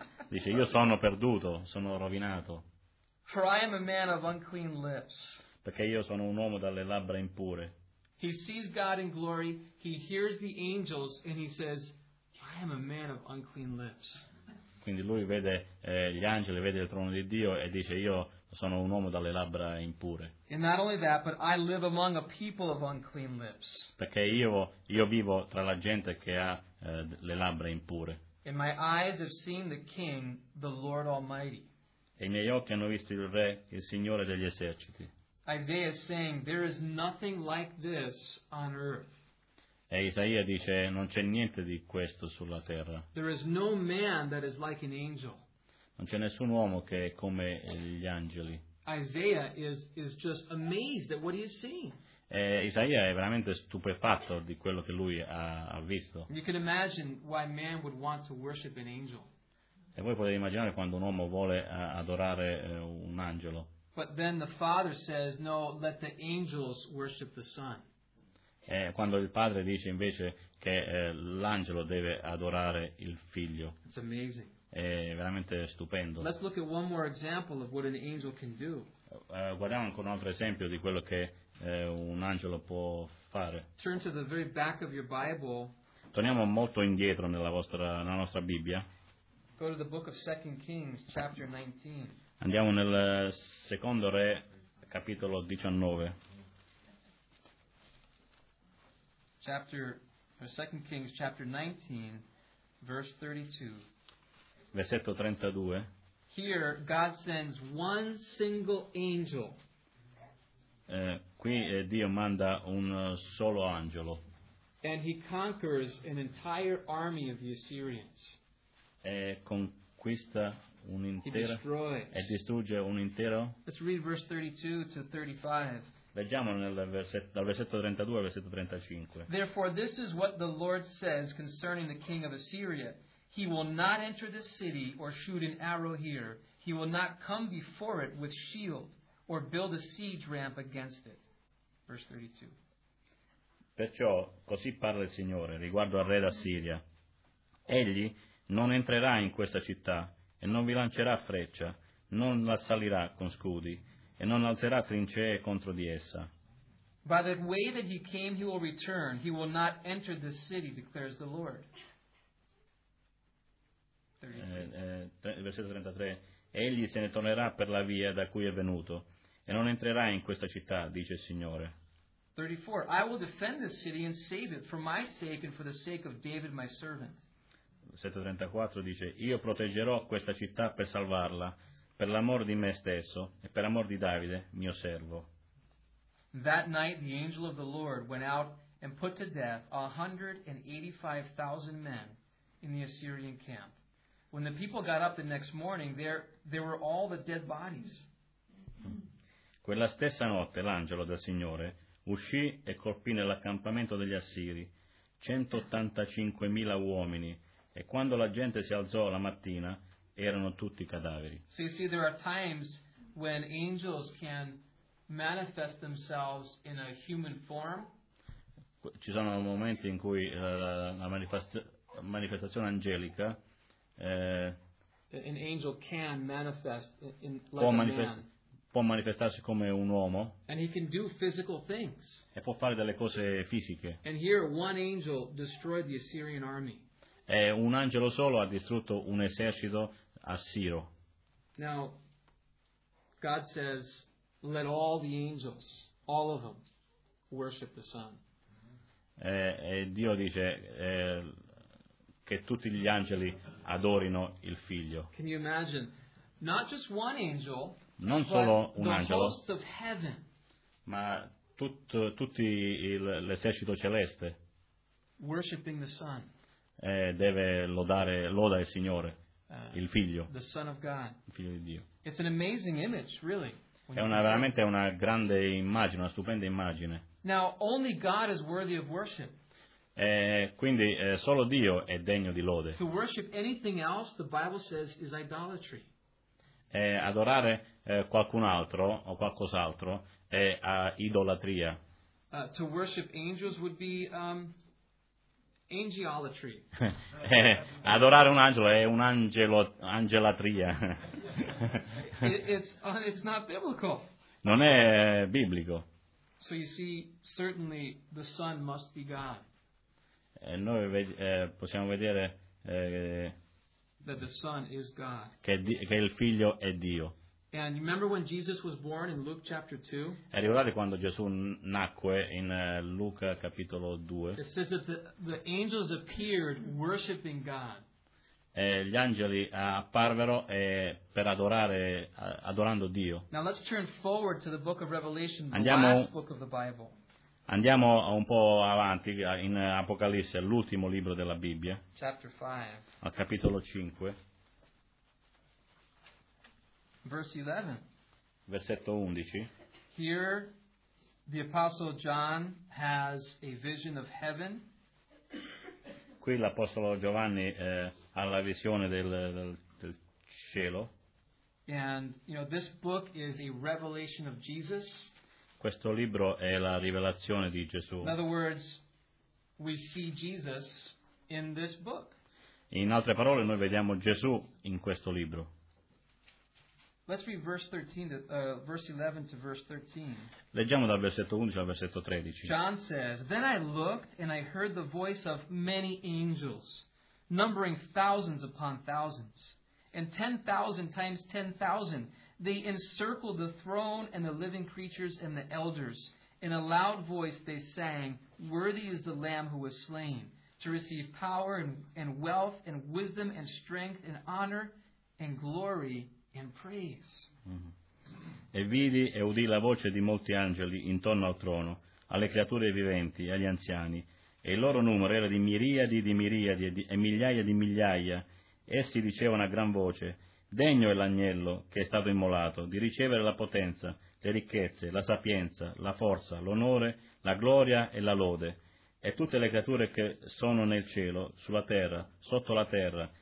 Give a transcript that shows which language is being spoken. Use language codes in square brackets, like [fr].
[it] Dice, io sono perduto, sono rovinato. [en] For I am a man of unclean lips. [it] Perché io sono un uomo dalle labbra impure. [en] He sees God in glory, he hears the angels, and he says, I am a man of unclean lips. [it] Quindi lui vede gli angeli, vede il trono di Dio, e dice, io sono un uomo dalle labbra impure. [en] And not only that, but I live among a people of unclean lips. [it] Perché io vivo tra la gente che ha le labbra impure. [en] And my eyes have seen the King, the Lord Almighty. [it] E i miei occhi hanno visto il Re, il Signore degli eserciti. [en] Isaiah is saying, there is nothing like this on earth. [it] E Isaia dice, non c'è niente di questo sulla terra. [en] There is no man that is like an angel. [it] Non c'è nessun uomo che è come gli angeli. [en] Isaiah is just amazed at what he is seeing. [it] E Isaia è veramente stupefatto di quello che lui ha visto. [en] You can imagine why man would want to worship an angel. [it] E voi potete immaginare quando un uomo vuole adorare un angelo. [en] But then the Father says, no, let the angels worship the Son. [it] E quando il padre dice invece che l'angelo deve adorare il figlio. [en] It's amazing. [it] È veramente stupendo. [en] Let's look at one more example of what an angel can do. [it] Guardiamo ancora un altro esempio di quello che un angelo può fare. [en] Turn to the very back of your Bible. [it] Torniamo molto indietro nella nostra Bibbia. [en] Go to the book of 2 Kings, chapter 19. [it] Andiamo nel secondo re, capitolo 19. [en] Chapter, or 2 Kings, chapter 19, verse 32. [it] Versetto 32. [en] Here, God sends one single angel. [it] Qui Dio manda un solo angelo. [en] And he conquers an entire army of the Assyrians. [it] E conquista un'intera. E distrugge un intero. [en] Let's read verse 32 to 35. [it] Leggiamo dal versetto 32 al versetto 35. [en] Therefore this is what the Lord says concerning the king of Assyria. He will not enter the city or shoot an arrow here. He will not come before it with shield or build a siege ramp against it. Verse 32. [it] Perciò, così parla il Signore riguardo al re d'Assiria. Egli non entrerà in questa città e non vi lancerà freccia, non la salirà con scudi e non alzerà trincee contro di essa. [en] By the way that he came, he will return. He will not enter this city, declares the Lord. [it] Versetto 33. Egli se ne tornerà per la via da cui è venuto e non entrerà in questa città, dice il Signore. [en] 34. I will defend this city and save it for my sake and for the sake of David my servant. [it] Versetto 34 dice: io proteggerò questa città per salvarla, per l'amor di me stesso e per amor di Davide, mio servo. [en] That night the angel of the Lord went out and put to death 185,000 men in the Assyrian camp. When the people got up the next morning, there were all the dead bodies. [it] Quella stessa notte l'angelo del Signore uscì e colpì nell'accampamento degli Assiri 185,000 uomini, e quando la gente si alzò la mattina, erano tutti cadaveri. [en] So you see, there are times when angels can manifest themselves in a human form. [it] Ci sono momenti in cui la manifestazione angelica [en] an angel can manifest in like a man. [it] Può manifestarsi come un uomo. [en] And he can do physical things. [it] E può fare delle cose fisiche. [en] And here one angel destroyed the Assyrian army. [it] E un angelo solo ha distrutto un esercito assiro. [en] Now God says, let all the angels, all of them, worship the Son. [it] E Dio dice che tutti gli angeli adorino il Figlio. [en] Can you imagine? Not just one angel, [it] non solo un [en] the [it] angelo, [en] hosts of heaven. [it] Ma tutti l'esercito celeste. [en] Worshiping the Son. [it] Deve lodare, loda il Signore, il Figlio. [en] The Son of God. [it] Il Figlio di Dio. [en] It's an amazing image, really. [it] È una, veramente una grande immagine, una stupenda immagine. [en] Now, only God is worthy of worship. [it] Quindi solo Dio è degno di lode. [en] To worship anything else, the Bible says, is idolatry. [it] Adorare qualcun altro o qualcos'altro è idolatria. [en] To worship angels would be angelatry. [it] Adorare un angelo è un'angelatria. [en] It's not biblical. [it] Non è biblico. [en] So you see, certainly the Son must be God. [it] Noi possiamo vedere [en] that the Son is God. [it] Che il Figlio è Dio. [en] And you remember when Jesus was born in Luke chapter 2? [it] E ricordate quando Gesù nacque in Luca capitolo 2? [en] It says that the angels appeared worshiping God. [it] Gli angeli apparvero per adorare, adorando Dio. [en] Now let's turn forward to the book of Revelation, last book of the Bible. [it] Andiamo un po' avanti in Apocalisse, l'ultimo libro della Bibbia. [en] Chapter 5. [it] Al capitolo 5. [en] Verse 11. [it] Versetto 11. [en] Here the apostle John has a vision of heaven. [it] Qui l'apostolo Giovanni ha la visione del cielo. [en] And you know, this book is a revelation of Jesus. [it] Questo libro è la rivelazione di Gesù. [en] In other words, we see Jesus in this book. [it] In altre parole, noi vediamo Gesù in questo libro. [en] Let's read verse 13 verse 11 to verse 13. [it] Leggiamo dal versetto 11 al versetto 13. [en] John says, then I looked and I heard the voice of many angels, numbering thousands upon thousands, and 10,000 times 10,000. They encircled the throne and the living creatures and the elders. In a loud voice they sang, worthy is the Lamb who was slain, to receive power and wealth and wisdom and strength and honor and glory. And praise. [it] E vidi e udì la voce di molti angeli intorno al trono, alle creature viventi, agli anziani, e il loro numero era di miriadi e migliaia di migliaia. Essi dicevano a gran voce: degno è l'agnello che è stato immolato di ricevere la potenza, le ricchezze, la sapienza, la forza, l'onore, la gloria e la lode. E tutte le creature che sono nel cielo, sulla terra, sotto la terra,